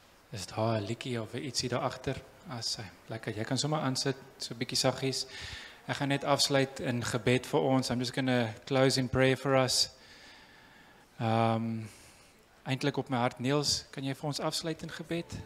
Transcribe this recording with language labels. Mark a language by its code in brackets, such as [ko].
[af] Is daar 'n liedjie of ietsie daar agter? Asse, lekker. Jy kan sommer aansit, so 'n bietjie saggies. Ek gaan net afsluit in gebed vir ons. [en] I'm just going to close in prayer for us. [af] Eintlik op my hart, Niels, kan jy vir ons afsluit in gebed?